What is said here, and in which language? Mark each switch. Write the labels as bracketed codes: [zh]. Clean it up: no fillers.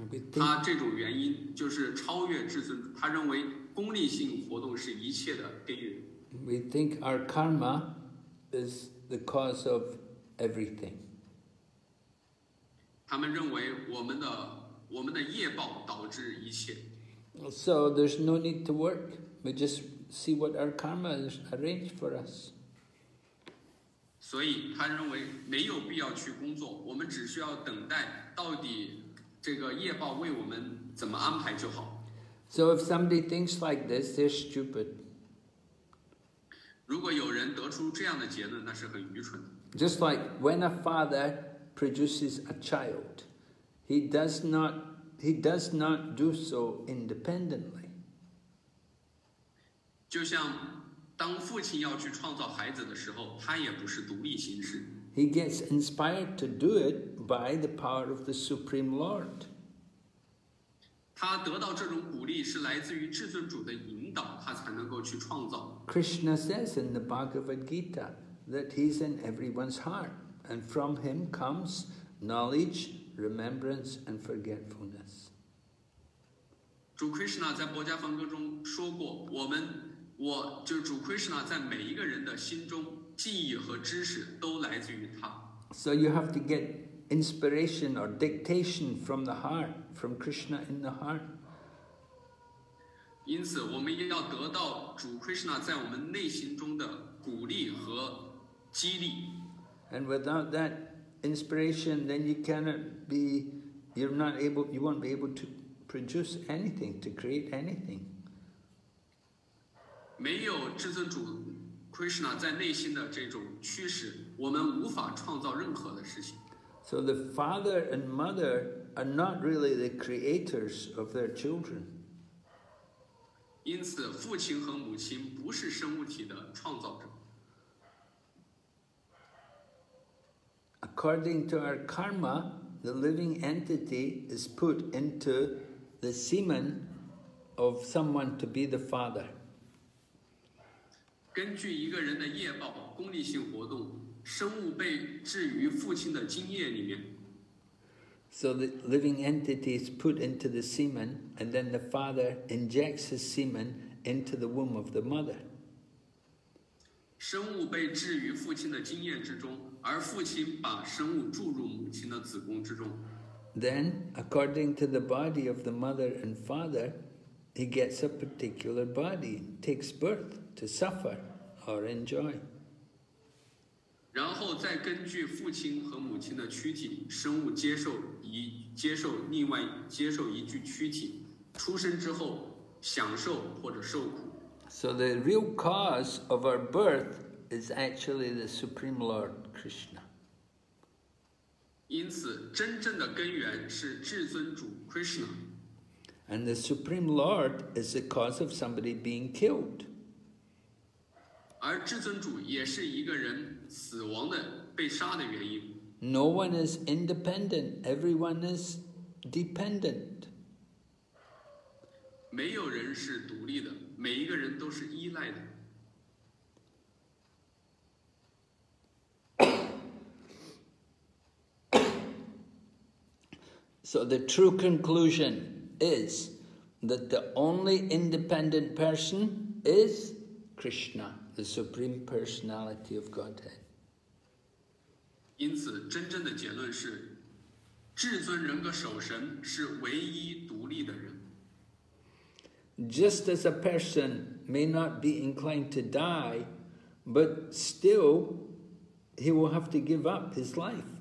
[zh] 他这种原因就是超越至尊，他认为功利性活动是一切的根源。 [en] We think our karma is the cause of everything. [zh] 他们认为我们的业报导致一切。 [en] So there's no need to work. We just see what our karma has arranged for us. [zh] 所以他认为没有必要去工作，我们只需要等待到底这个业报为我们怎么安排就好。 [en] So if somebody thinks like this, they're stupid. [zh] 如果有人得出这样的结论，那是很愚蠢的。 [en] Just like when a father produces a child, he does not do so independently. [zh] 就像当父亲要去创造孩子的时候，他也不是独立行事。 [en] He gets inspired to do it by the power of the Supreme Lord. [zh] 他得到这种鼓励是来自于至尊主的引导，他才能够去创造。 [en] Krishna says in the Bhagavad Gita that he's in everyone's heart, and from him comes knowledge, remembrance, and forgetfulness. [zh] 主 Krishna 在《薄伽梵歌》中说过，就主 Krishna 在每一个人的心中，记忆和知识都来自于他。 [en] So you have to get inspiration or dictation from the heart, from Krishna in the heart. [zh] 因此，我们要得到主 Krishna 在我们内心中的鼓励和激励。 [en] And without that inspiration, then you cannot be, you're not able, you won't be able to produce anything, to create anything. [zh] 没有至尊主 Krishna 在内心的这种驱使，我们无法创造任何的事情。 [en] So the father and mother are not really the creators of their children. [zh] 因此，父亲和母亲不是生物体的创造者。 [en] According to our karma, the living entity is put into the semen of someone to be the father. [zh] 根据一个人的业报，功利性活动，生物被置于父亲的精液里面。 [en] So the living entity is put into the semen, and then the father injects his semen into the womb of the mother. [zh] 生物被置于父亲的精液之中，而父亲把生物注入母亲的子宫之中。 [en] Then, according to the body of the mother and father, he gets a particular body, takes birth to suffer or enjoy. [zh] 然后再根据父亲和母亲的躯体，生物接受一具躯体，出生之后享受或者受苦。 [en] So the real cause of our birth is actually the Supreme Lord Krishna. [zh] 因此，真正的根源是至尊主 Krishna. [en] And the Supreme Lord is the cause of somebody being killed. [zh] 而至尊主也是一个人死亡的被杀的原因。 [en] No one is independent. Everyone is dependent. [zh] 没有人是独立的。每一个人都是依赖的。 [en] So the true conclusion is that the only independent person is Krishna, the Supreme Personality of Godhead. [zh] 因此，真正的结论是，至尊人格守神是唯一独立的人。 [en] Just as a person may not be inclined to die, but still he will have to give up his life.